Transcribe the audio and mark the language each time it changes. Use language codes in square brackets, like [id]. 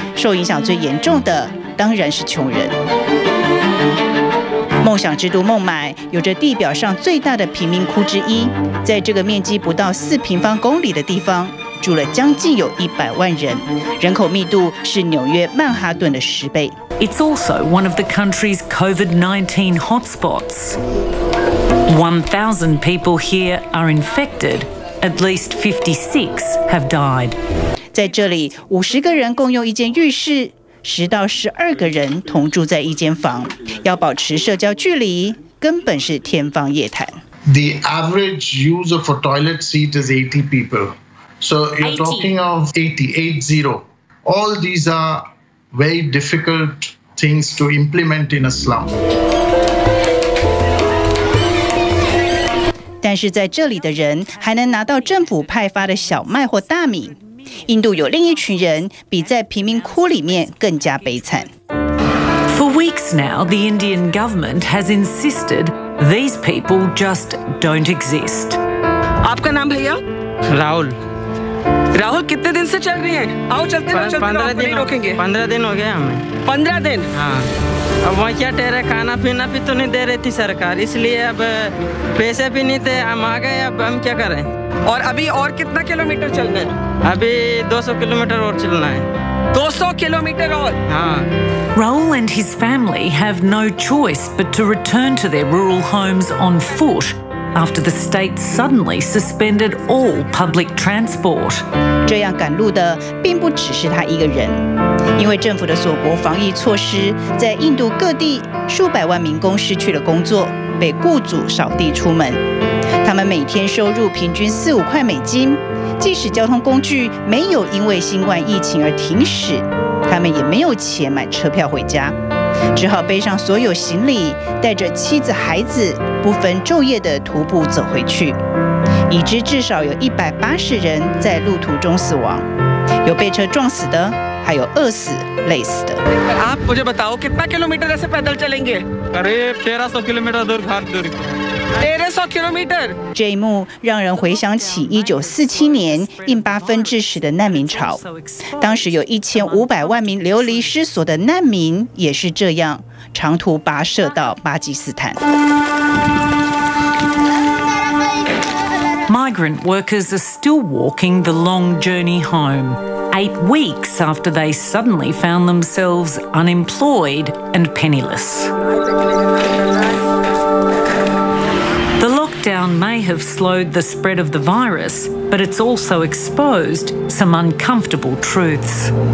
[zh] 受影响最严重的当然是穷人。梦想之都孟买有着地表上最大的贫民窟之一，在这个面积不到4平方公里的地方，住了将近有100万人，人口密度是纽约曼哈顿的10倍。 [en] It's also one of the country's COVID-19 hotspots. 1,000 people here are infected. At least 56 have died. [zh] 在这里，50个人共用一间浴室，10到12个人同住在一间房，要保持社交距离，根本是天方夜谭。 [en] The average user for toilet seat is 80 people. So you're talking of 80. All these are very difficult things to implement in a slum. [zh] 但是在这里的人还能拿到政府派发的小麦或大米。印度有另一群人比在贫民窟里面更加悲惨。 [en] For weeks now, the Indian government has insisted these people just don't exist. 아빠 남 भैया? [hi] राहुल. राहुल कितने दिन से चल रही हैं? आओ चलते हैं, चलते हैं. 15 दिन रोकेंगे. 15 दिन हो गया हमें. 15 दिन. हाँ. अब वहाँ क्या ठहरा, खाना पीना भी तो नहीं दे रही थी सरकार, इसलिए अब पैसे भी नहीं थे, हम आ गए, अब हम क्या करें। और अभी और कितना किलोमीटर चलना है? अभी 200 किलोमीटर और चलना है। 200 किलोमीटर और? हाँ। [en] Raul and his family have no choice but to return to their rural homes on foot. after the state suddenly suspended all public transport. [zh] 这样赶路的并不只是他一个人，因为政府的锁国防疫措施，在印度各地数百万民工失去了工作，被雇主扫地出门。他们每天收入平均$4-5，即使交通工具没有因为新冠疫情而停驶，他们也没有钱买车票回家，只好背上所有行李，带着妻子孩子，不分昼夜的徒步走回去。已知至少有180人在路途中死亡，有被车撞死的，还有饿死、累死的。 [hi] आप मुझे बताओ कितना किलोमीटर ऐसे पैदल चलेंगे? अरे 1300 किलोमीटर दूर घर दूर। 1300 kilometre。 [zh] 这一幕让人回想起1947年印巴分治时的难民潮，当时有1500万名流离失所的难民也是这样长途跋涉到巴基斯坦。 [en] Migrant workers are still walking the long journey home, 8 weeks after they suddenly found themselves unemployed and penniless. The lockdown may have slowed the spread of the virus, but it's also exposed some uncomfortable truths.